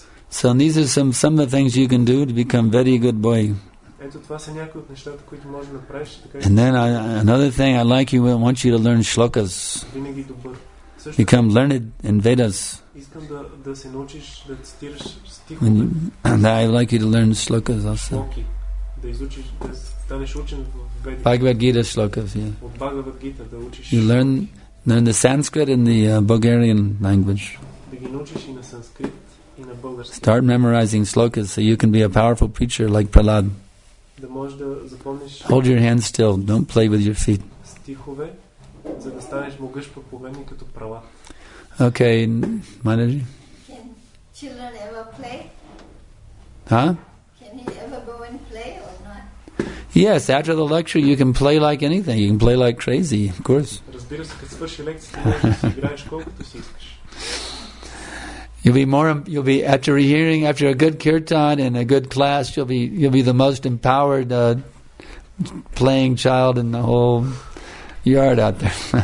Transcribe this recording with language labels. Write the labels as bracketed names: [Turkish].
[English] So these are some of the things you can do to become a very good boy. [Bulgarian] Ето това са някои от нещата, които можеш да направиш. [English] And then another thing I like you, I want you to learn shlokas. [Bulgarian] Винаги добър. Също [English] become learned in Vedas. [Bulgarian] Искам да се научиш да цитираш стихове. [English] And I like you to learn shlokas also. [Bulgarian] Shloki. Да изучиш, да станеш учен в Ведите. [English] Bhagavad Gita shlokas, yeah. [Bulgarian] От Bhagavad Gita да учиш. [English] You learn the Sanskrit and the Bulgarian language. [Bulgarian] Да ги научиш и на санскрит и на български. [English] Start memorizing shlokas so you can be a powerful preacher like Prahlad. [Bulgarian] Да можеш да запомниш. [English] Hold your hands still, don't play with your feet. [Bulgarian] Стихове, за да станеш могъщ проповедник като права. [English] Okay, Manaji. Can children ever play? Huh? Can he ever go and play or not? Yes, after the lecture you can play like anything. You can play like crazy, of course. [Bulgarian] Разбира се, като свърши лекцията, можеш да си играеш колкото си искаш. [English] You'll be after hearing after a good kirtan and a good class, you'll be the most empowered playing child in the whole yard out there.